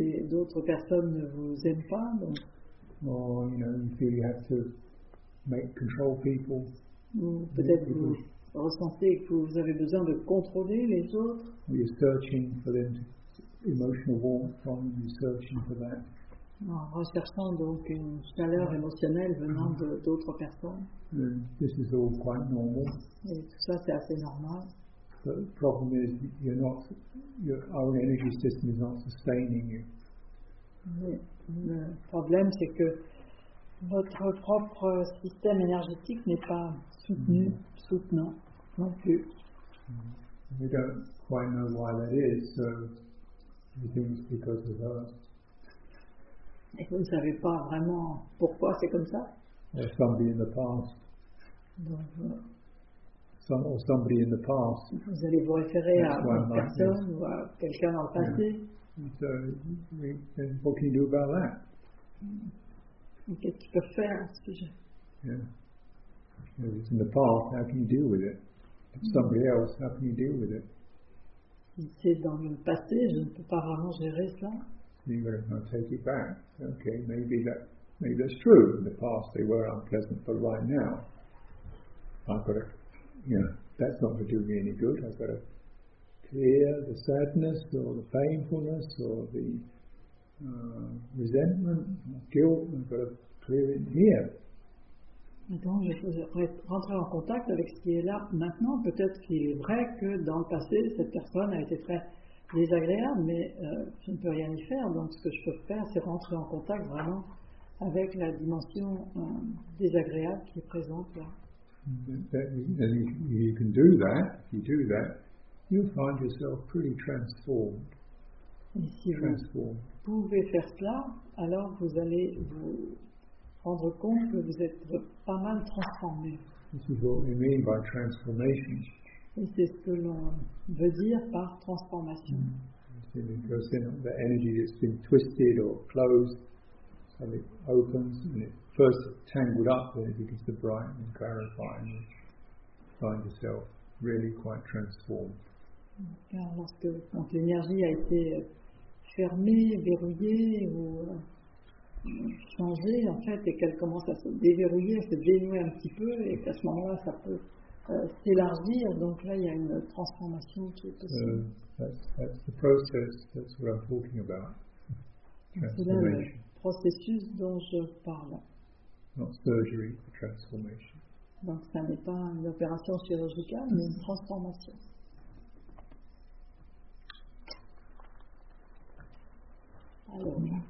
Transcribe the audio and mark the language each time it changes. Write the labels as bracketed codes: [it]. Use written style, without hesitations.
[fr] D'autres personnes ne vous aiment pas, donc. [en] Or, you feel you have to make control people. [fr] Ou peut-être vous ressentez que vous avez besoin de contrôler les autres. [en] Or you're searching for the emotional warmth from you, you're searching for that. [fr] En recherchant donc une chaleur émotionnelle venant d'autres personnes. [en] And this is all quite normal. [fr] Et tout ça, c'est assez normal. [en] The problem is you're not, your own energy system is not sustaining you. [fr] Mais le problème, c'est que votre propre système énergétique n'est pas soutenu, soutenant non plus. [en] We don't quite know why that is, so He thinks because of us. [fr] Et vous ne savez pas vraiment pourquoi c'est comme ça? [en] Or somebody in the past. Or somebody in the past. [fr] Vous allez vous référer à une personne ou à quelqu'un dans le passé. [en] So, then what can you do about that? [fr] Qu'est-ce que tu peux faire à ce sujet? [en] Yeah. If it's in the past, how can you deal with it? If somebody else, how can you deal with it? [fr] Si c'est dans le passé, je ne peux pas vraiment gérer cela. [en] You're going to take it back. Okay, maybe that's true. In the past, they were unpleasant, but right now, I've got to, that's not going to do me any good. I've got to clear the sadness or the painfulness or the resentment, guilt. I've got to clear it here. [fr] Donc, je voudrais rentrer en contact avec ce qui est là maintenant. Peut-être qu'il est vrai que dans le passé, cette personne a été très désagréable, mais je ne peux rien y faire. Donc, ce que je peux faire, c'est rentrer en contact vraiment avec la dimension désagréable qui est présente là. [en] And you can do that. If you do that, you'll find yourself pretty transformed. [fr] Et si transformed. Vous pouvez faire cela, alors vous allez vous rendre compte que vous êtes pas mal transformé. [en] This is what we mean by transformation. [fr] Et c'est ce que l'on veut dire par transformation. [en] The energy that's been twisted or closed, and it opens, and it first tangled up, then it begins to brighten and clarify, and you find yourself really quite transformed. [fr] Car lorsque votre énergie a été fermée, verrouillée, ou changer en fait, et qu'elle commence à se déverrouiller, à se dénouer un petit peu, et qu'à ce moment-là ça peut s'élargir, donc là il y a une transformation qui est possible. [en] That's the process, that's what I'm talking about. [fr] C'est là le processus dont je parle. [en] Not surgery, transformation. [fr] Donc ça n'est pas une opération chirurgicale, mais une transformation. Alors.